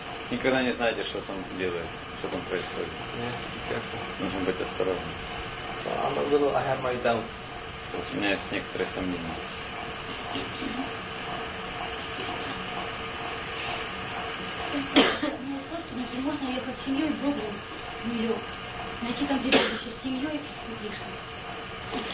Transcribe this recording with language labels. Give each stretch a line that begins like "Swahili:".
Russian: Никогда не знаете, что там делает, что там происходит.
English: You have to be careful.
Russian: Нужно быть осторожным.
English: So I'm a little, I have my doubts.
Russian: У меня есть некоторые сомнения. У меня вопрос, если можно ехать с семьей в Бобру, в Нью-Йорк, найти там где-то еще с семьей и тише.